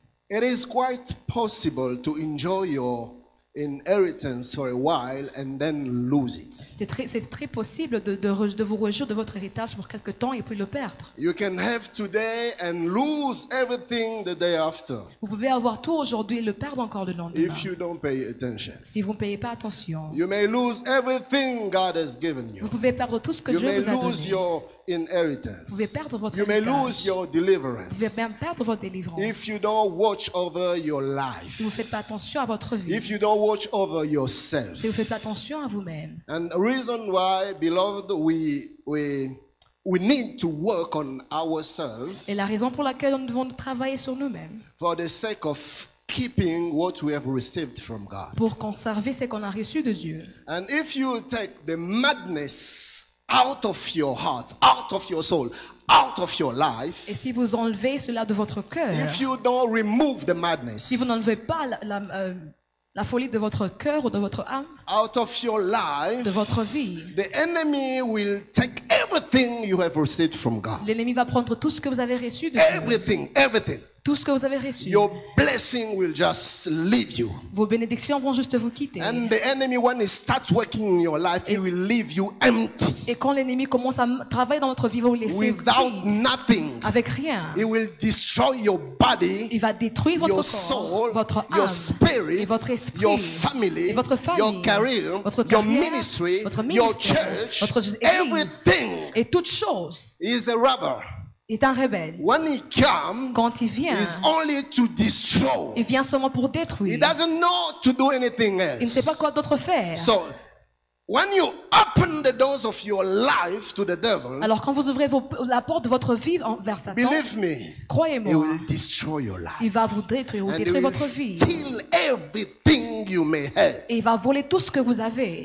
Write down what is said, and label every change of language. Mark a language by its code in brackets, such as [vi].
[en] It is quite possible to enjoy your inheritance for a while and then lose it. [fr] C'est très possible de vous réjouir de votre héritage pour quelque temps et puis le perdre. [en] You can have today and lose everything the day after. [fr] Vous pouvez avoir tout aujourd'hui et le perdre encore le lendemain. [en] If you don't pay attention. [fr] Si vous ne payez pas attention. [en] You may lose everything God has given you. [fr] Vous pouvez perdre tout ce que [en] you [fr] Dieu vous a donné. [en] You may lose your inheritance. [fr] Vous pouvez perdre votre [en] you [fr] héritage. [en] You may lose your deliverance. [fr] Vous pouvez même perdre votre délivrance. [en] If you don't watch over your life. [fr] Si vous ne faites pas attention à votre vie. [en] If you don't watch over yourself. [fr] Si vous faites attention à vous-même. [en] And the reason why, beloved, we need to work on ourselves. [fr] Et la raison pour laquelle nous devons travailler sur nous-mêmes. [en] For the sake of keeping what we have received from God. [fr] Pour conserver ce qu'on a reçu de Dieu. [en] And if you take the madness out of your heart, out of your soul, out of your life. [fr] Et si vous enlevez cela de votre cœur. [en] If you don't remove the madness. [fr] Si vous n'enlevez pas la folie de votre cœur ou de votre âme. [en] Out of your life. [fr] De votre vie. [en] The enemy will take everything you have received from God. [fr] L'ennemi va prendre tout ce que vous avez reçu de [en] Dieu. Everything, everything. [fr] tout ce que vous avez reçu. [en] Your blessing will just leave you. [fr] Vos bénédictions vont juste vous quitter. [en] And the enemy, when he starts working in your life, he will leave you empty. [fr] Et quand l'ennemi commence à travailler dans votre vie, vous laissez [en] without vide. Nothing. [fr] Avec rien. [en] He will destroy your body. [fr] Il va détruire votre [en] your [fr] corps, [en] soul, [fr] votre âme, [en] your spirit, [fr] et votre esprit, [en] your family, [fr] et votre famille, [en] your career, [fr] votre [en] your ministry, [fr] votre ministère, [en] your church, [fr] votre église, [en] everything. [fr] Et toute chose. [en] Is a rubber. [fr] Est un rebelle. [en] When he come, [fr] quand il vient, [en] is only to destroy. [fr] Il vient seulement pour détruire. [en] He doesn't know to do anything else. [fr] Il ne sait pas quoi d'autre faire. [en] So, when you open the doors of your life to the devil, [fr] alors quand vous ouvrez la porte de votre vie envers Satan, [en] believe me, [fr] croyez-moi, [en] he will destroy your life. [fr] Il va vous détruire, [en] and [fr] détruire [en] he will [fr] votre vie. [en] Steal everything you may have. [fr] Et il va voler tout ce que vous avez.